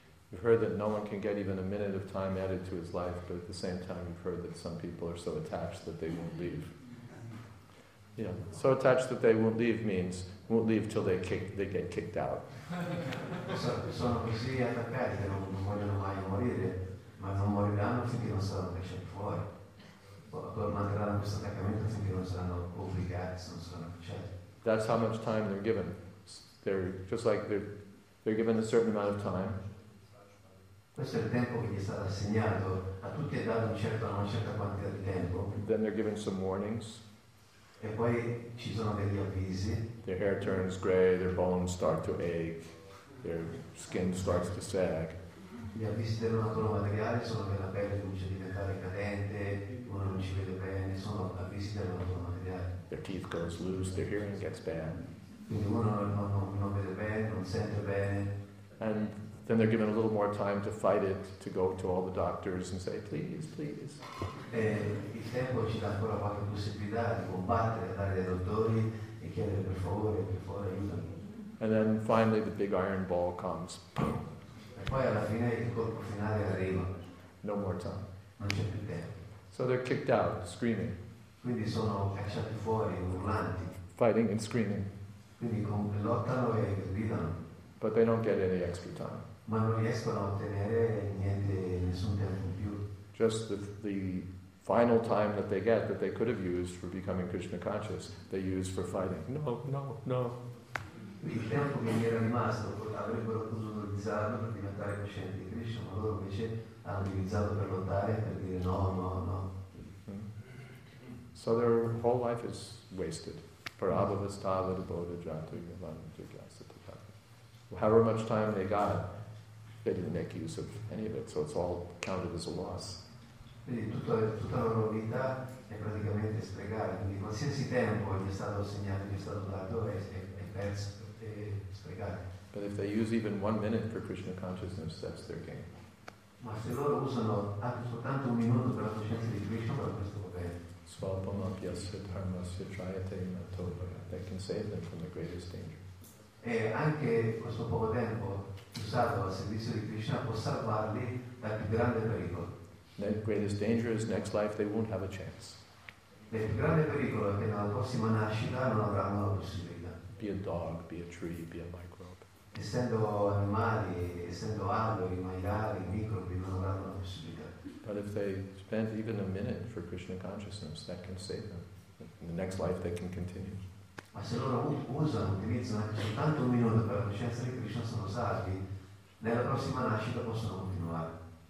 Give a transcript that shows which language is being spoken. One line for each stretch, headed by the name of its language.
English: You've heard that no one can get even a minute of time added to his life, but at the same time you've heard that some people are so attached that they won't leave. You know, so attached that they won't leave means won't leave till they get kicked out.
Italian: Sono così attaccati che non vogliono mai morire, ma non moriranno finché non saranno lasciati fuori. Manterranno questo attaccamento finché non saranno obbligati, non saranno lasciati.
English: That's how much time they're given. They're just like they're given a certain amount of time.
Italian: Questo è il tempo che gli è stato assegnato, a tutti è dato una certa quantità di tempo.
English: Then they're given some warnings.
Italian: E poi ci sono degli avvisi.
English: Their hair turns gray, their bones start to ache, their skin starts to sag.
Italian: Gli avvisi del natural materiale sono che la pelle comincia a diventare cadente, uno non ci vede bene, sono avvisi del natural materiale.
English: Their teeth goes loose, their hearing gets bad.
Italian: Quindi uno non vede bene, non sente bene.
English: And then they're given a little more time to fight it, to go to all the doctors and say, please, please.
Italian: Il tempo ci dà ancora qualche possibilità di combattere, andare dai dottori e chiedere per favore, aiutami.
English: And then finally the big iron ball comes. Boom.
Italian: E poi alla fine il colpo finale arriva.
English: No more time.
Italian: Non c'è più tempo.
English: So they're kicked out, screaming.
Italian: Quindi sono cacciati fuori, urlanti.
English: Fighting and screaming.
Italian: Quindi lottano e gridano.
English: But they don't get any extra time.
Italian: Ma non riescono a ottenere niente, nessun tempo più.
English: Just the final time that they get that they could have used for becoming Krishna conscious, they use for fighting. No, no, no.
Italian: Il tempo che gli era rimasto avrebbero potuto utilizzarlo per diventare coscienti di Krishna, ma loro invece hanno utilizzato per lottare, per dire no, no, no.
English: So their whole life is wasted.
Sanskrit: Parabhavastava devoda jato yavanta jasa.
English: However much time they got, they didn't make use of any of it, so it's all counted as a loss.
Italian: Quindi tutta la loro vita è praticamente sprecata. Quindi qualsiasi tempo gli è stato assegnato, gli è stato dato, è perso, è sprecato.
English: But if they use even 1 minute for Krishna consciousness, that's their gain.
Italian: Ma se loro usano anche soltanto un minuto per la coscienza di Krishna, per questo va bene.
Sanskrit: Svalpamapyasya dharmasya jayate matovaya.
English: That can save them from the greatest danger.
Italian: E anche questo poco tempo usato al servizio di Krishna può salvarli dal più grande pericolo.
English: The greatest danger is next life they won't have a chance.
Italian: del grande pericolo che nella prossima nascita non avranno la possibilità.
English: Be a dog, be a tree, be a microbe.
Italian: Essendo animali, essendo alberi, maiali, microbi, non avranno la possibilità.
English: But if they spend even a minute for Krishna consciousness, that can save them. In the next life they can continue.
Italian: Ma se loro utilizzano soltanto un minuto per la coscienza di Krishna, sono salvi. Nella prossima nascita possono continuare.